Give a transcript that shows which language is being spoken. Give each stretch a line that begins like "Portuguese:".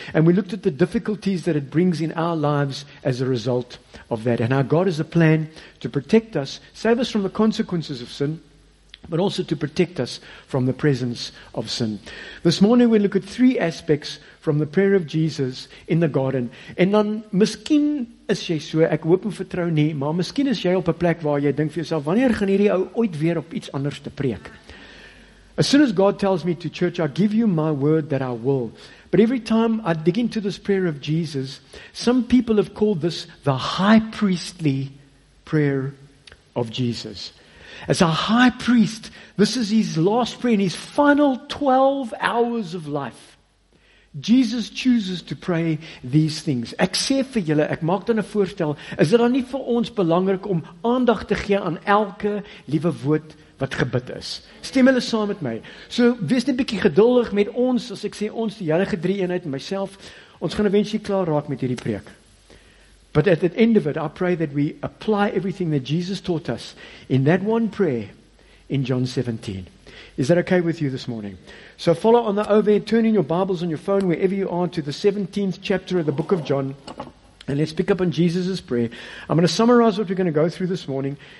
English: And we looked at the difficulties that it brings in our lives as a result of that. And our God has a plan to protect us, save us from the consequences of sin, but also to protect us from the presence of sin. This morning we look at three aspects from the prayer of Jesus in the garden.
Afrikaans: En dan, miskien is jy so, ek hoop en vertrou nie, maar miskien is jy op 'n plek waar jy dink vir jouself, wanneer gaan hierdie ou ooit weer op iets anders te preek?
English: As soon as God tells me to church, I give you my word that I will. But every time I dig into this prayer of Jesus, some people have called this the high priestly prayer of Jesus. As a high priest, this is his last prayer in his final 12 hours of life. Jesus chooses to pray these things.
Afrikaans: Ek sê vir julle, ek maak dan 'n voorstel, is dit dan nie vir ons belangrik om aandag te gee aan elke liewe woord wat gebid is? Stem hulle saam met my. So wees net 'n bietjie geduldig met ons, as ek sê ons, die Heilige Drie Eenheid en myself, ons gaan eventueel klaar raak met hierdie preek.
English: But at the end of it, I pray that we apply everything that Jesus taught us in that one prayer in John 17. Is that okay with you this morning? So follow on the overhead, turn in your Bibles on your phone, wherever you are, to the 17th chapter of the book of John. And let's pick up on Jesus' prayer. I'm going to summarize what we're going to go through this morning.